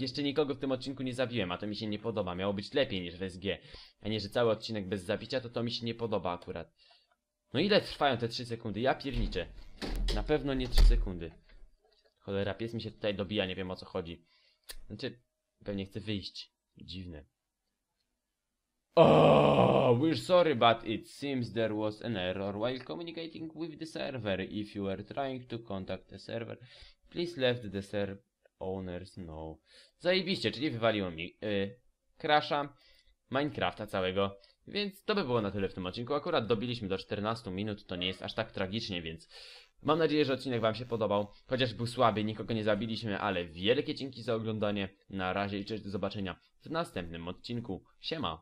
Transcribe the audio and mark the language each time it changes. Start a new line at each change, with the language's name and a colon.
Polish: Jeszcze nikogo w tym odcinku nie zabiłem, a to mi się nie podoba. Miało być lepiej niż w SG. A nie, że cały odcinek bez zabicia, to mi się nie podoba akurat. No ile trwają te 3 sekundy? Ja pierniczę. Na pewno nie 3 sekundy. Cholera, pies mi się tutaj dobija, nie wiem o co chodzi. Znaczy, pewnie chcę wyjść. Dziwne.
English: Oh, we're sorry, but it seems there was an error while communicating with the server. If you were trying to contact the server, please let the server owners know.
Polish: Zajebiście, czyli wywaliło mi crasha Minecrafta całego. Więc to by było na tyle w tym odcinku. Akurat dobiliśmy do 14 minut, to nie jest aż tak tragicznie, więc mam nadzieję, że odcinek wam się podobał. Chociaż był słaby, nikogo nie zabiliśmy, ale wielkie dzięki za oglądanie. Na razie i cześć, do zobaczenia w następnym odcinku. Siema!